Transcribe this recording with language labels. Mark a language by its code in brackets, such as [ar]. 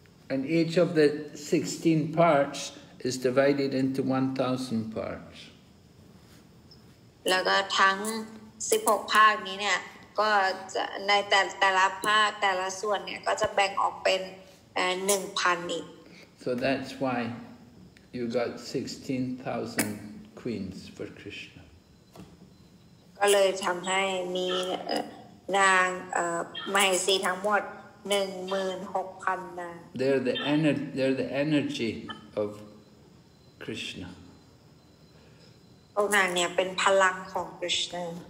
[en] And each of the 16 parts is divided into 1,000 parts [th] แล้วก็ทั้ง16ภาคนี้เนี่ยก็ในแต่ละภาคแต่ละส่วนเนี่ยก็จะแบ่งออกเป็น 1,000 อีก [en] So that's why you got 16,000 queens for Krishna [th] ก็เลยทำให้มีนางมเหสีทั้งหมด 16,000 นาง [en] They're the energy of Krishna [th] พวกนางเนี่ยเป็นพลังของ Krishna